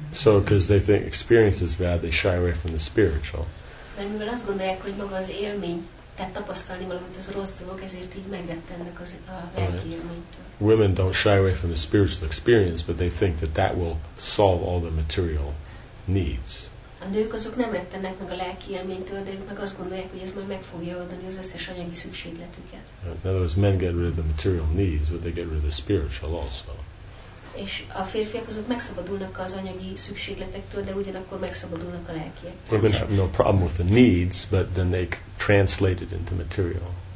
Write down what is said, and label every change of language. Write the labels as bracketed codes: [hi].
[en] So, because they think experience is bad, they shy away from the spiritual. [hu] Mert mivel azt gondolják, hogy maga az élmény, tehát tapasztalni valamit az rossz dolog, ezért így megrettennek az a lelki élménytől. [en] Women don't shy away from the spiritual experience, but they think that will solve all the material needs. [hu] A nők azok nem rettennek meg a lelki élménytől, de ők meg azt gondolják, hogy ez majd meg fogja oldani az összes anyagi szükségletüket. [en] In other words, men get rid of the material needs, but they get rid of the spiritual also. [hu] És a férfiak azok megszabadulnak az anyagi szükségletektől, de ugyanakkor megszabadulnak a lelkiektől. [en] Women have no problem with the needs, but then they translate it into material.